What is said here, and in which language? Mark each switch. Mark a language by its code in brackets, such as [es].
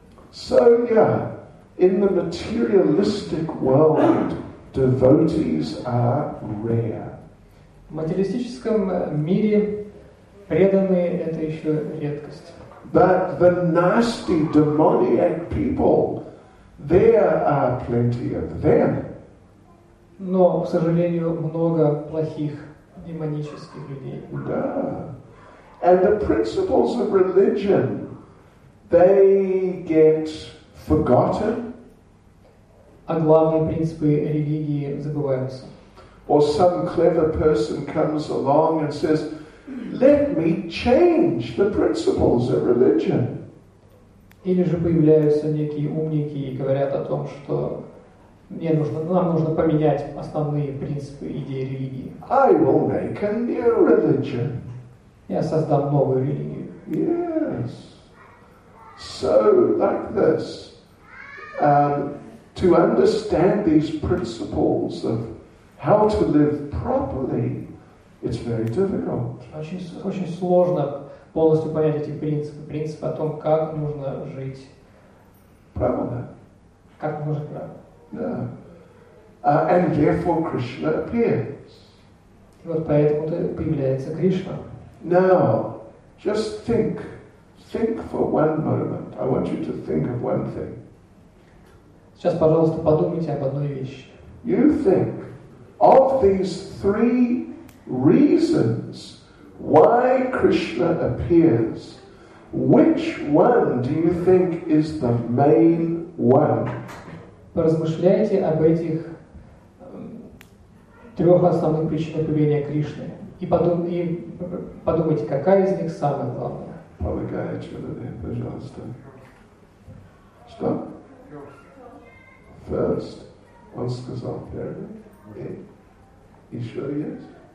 [en] So yeah, in the materialistic world, devotees are rare. [ru] В материалистическом мире преданные – это еще редкость. [en] But the nasty, demoniac people, there are plenty of them. [ru] Но, к сожалению, много плохих демонических людей. Да. [en] And the principles of religion, they get forgotten. [ru] А главные принципы религии забываются. [en] Or some clever person comes along and says, "Let me change the principles of religion." [ru] Или же появляются некие умники и говорят о том, что нам нужно поменять основные принципы идеи религии. [en] I will make a new religion. [ru] Я создам новую религию. [en] Yes. So, like this, to understand these principles of how to live properly, it's very difficult. [ru] Очень сложно полностью понять эти принципы, принципы о том, как нужно жить. Правильно. Как нужно правильно. [en] Yeah. And therefore Krishna appears. [ru] И вот поэтому-то появляется Кришна. [en] Now, just think. Think for one moment. I want you to think of one thing. [ru] Сейчас, пожалуйста, подумайте об одной вещи. [en] You think of these three reasons why Krishna appears. Which one do you think is the main one? [ru] Поразмышляйте об этих трех основных причинах появления Кришны. И подумайте, какая из них самая главная. Полагаю, человек, пожалуйста. Что? [en] First. [ru] Он сказал первый. Еще есть?